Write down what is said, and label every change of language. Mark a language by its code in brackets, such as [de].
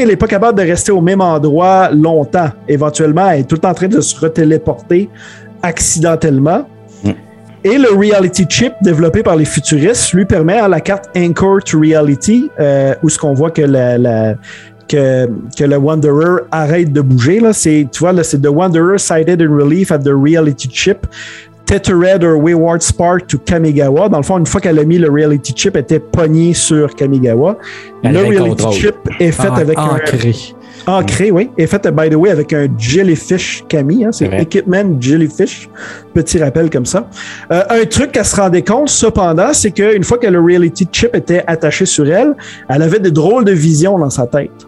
[fr] Elle n'est pas capable de rester au même endroit longtemps. Éventuellement, elle est tout le temps en train de se retéléporter accidentellement. Et le Reality Chip développé par les futuristes lui permet à la carte Anchor to Reality, où ce qu'on voit que le Wanderer arrête de bouger. Là. C'est, tu vois, là, c'est [en] The Wanderer sighted in relief at the Reality Chip. Tethered her wayward spark to Kamigawa. [fr] Dans le fond, une fois qu'elle a mis le Reality Chip, elle était pognée sur Kamigawa. Le Reality Chip est fait avec ancré. Ancré, oui. Est fait, [en] by the way, [fr] avec un Jellyfish Kami. Hein. C'est ouais. Equipment Jellyfish. Petit rappel comme ça. Un truc qu'elle se rendait compte, cependant, c'est qu'une fois que le Reality Chip était attaché sur elle, elle avait des drôles de visions dans sa tête.